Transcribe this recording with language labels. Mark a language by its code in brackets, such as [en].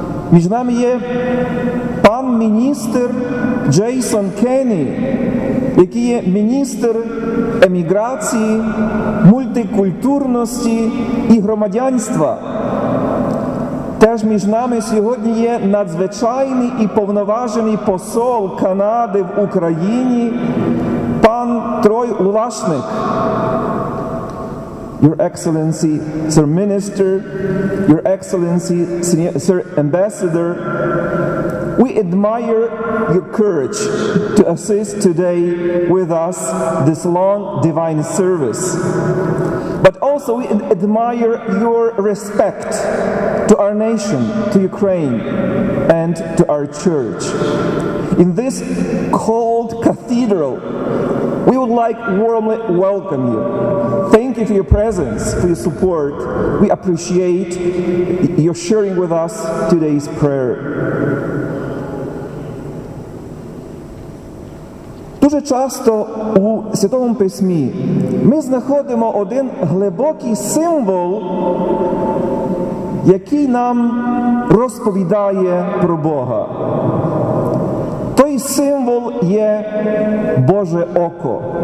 [uk] Між нами є пан міністр Джейсон Кенні, який є міністр еміграції, мультикультурності і громадянства. Теж між нами сьогодні є надзвичайний і повноважений посол Канади в Україні, пан Трой Лулашник. [en] Your Excellency, Sir Minister, Your Excellency, Sir Ambassador, we admire your courage to assist today with us this long divine service. But also we admire your respect to our nation, to Ukraine, and to our church. In this cold cathedral, we would like warmly welcome you. Thank you for your presence, for your support. We appreciate your sharing with us today's prayer. [uk] Дуже часто у Святому Письмі ми знаходимо один глибокий символ, який нам розповідає про Бога. Той символ є Боже око.